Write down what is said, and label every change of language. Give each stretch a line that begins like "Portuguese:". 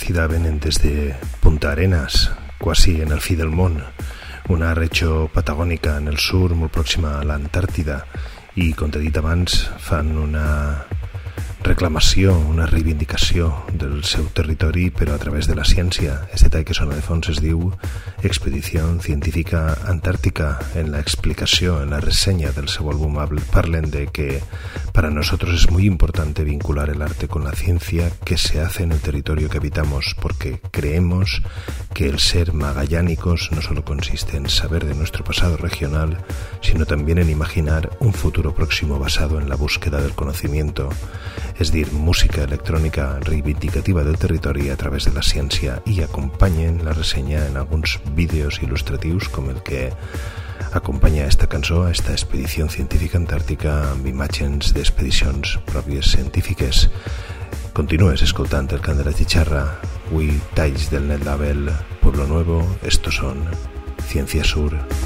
Catalan: Venen des de Punta Arenas, quasi en el fi del món, una regió patagònica en el sur, molt pròxima a l'Antàrtida, i com t'he dit abans, fan una reclamació, una reivindicació del seu territori, però a través de la ciència. Este tall que sona de fons es diu Expedició Científica Antàrtica. En la explicació, en la ressenya del seu àlbum, parlen de que
Spanish: para nosotros es muy importante vincular el arte con la ciencia que se hace en el territorio que habitamos, porque creemos que el ser magallánicos no solo consiste en saber de nuestro pasado regional, sino también en imaginar un futuro próximo basado en la búsqueda del conocimiento, es decir, música electrónica reivindicativa del territorio a través de la ciencia, y acompañen la reseña en algunos vídeos ilustrativos como el que
Catalan: acompanya esta cançó, esta expedició científica antàrtica, amb imatges d'expedicions pròpies científiques. Continues escoltant el cant de la xitxarra, avui talls del Net Label, Pueblo Nuevo, estos són Ciència Sur.